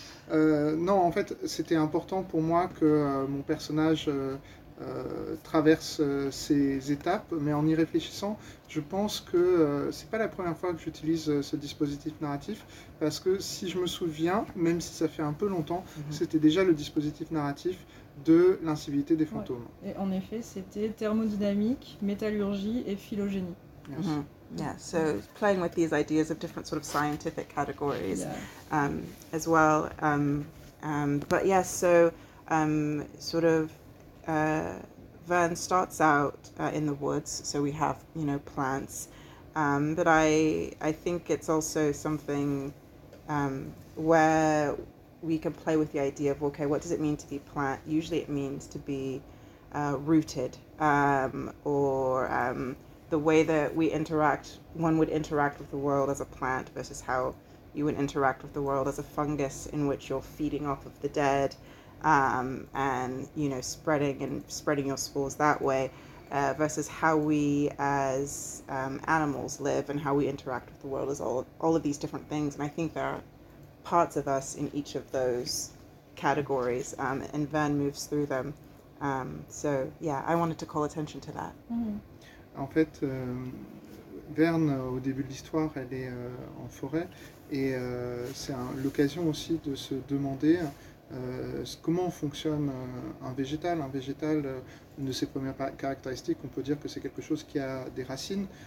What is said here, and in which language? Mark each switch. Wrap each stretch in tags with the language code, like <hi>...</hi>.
<fr>Non, en fait, c'était important pour moi que mon personnage traverse ces étapes, mais en y réfléchissant, je pense que c'est pas la première fois que j'utilise ce dispositif narratif, parce que si je me souviens, même si ça fait un peu longtemps, c'était déjà le dispositif narratif de l'incivilité des fantômes. Ouais. Et en effet, c'était thermodynamique, métallurgie et phylogénie.</fr> <en>Yes. Yeah, so playing with these ideas of different sort of scientific categories as well. But yes, yeah, so sort of Verne starts out in the woods, so we have, you know, plants. But I think it's also something where we can play with the idea of, okay, what does it mean to be plant? Usually it means to be rooted or... the way that we interact, one would interact with the world as a plant versus how you would interact with the world as a fungus, in which you're feeding off of the dead, and, you know, spreading your spores that way, versus how we as animals live and how we interact with the world as all of these different things. And I think there are parts of us in each of those categories, and Verne moves through them. So yeah, I wanted to call attention to that. Mm-hmm.</en> <fr>En fait, Verne, au début de l'histoire, elle est en forêt, et c'est l'occasion aussi de se demander comment fonctionne un végétal. Un végétal, une de ses premières caractéristiques, on peut dire que c'est quelque chose qui a des racines.</fr>